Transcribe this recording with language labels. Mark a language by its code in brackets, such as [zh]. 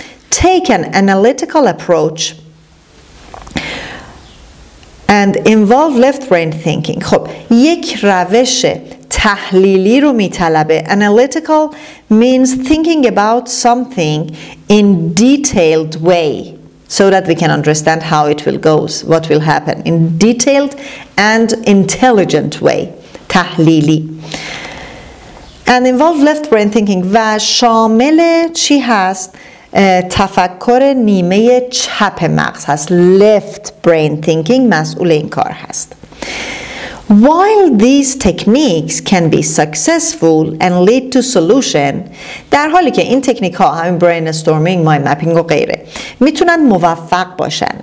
[en] take an analytical approach and involve left brain thinking. [fa] خب یک روش تحلیلی رو میطلبه. [en] analytical means thinking about something in detailed way so that we can understand how it will go, what will happen, in detailed and intelligent way. [fa] تحلیلی. [en] and involve left brain thinking. [fa] و شامل چی هست؟ تفکر نیمه چپ مغز هست. [en] left brain thinking [fa] مسئول این کار هست. [en] While these techniques can be successful and lead to solution، [fa] در حالی که این تکنیک ها، همین brainstorming، mind mapping و غیره، میتونن موفق باشن.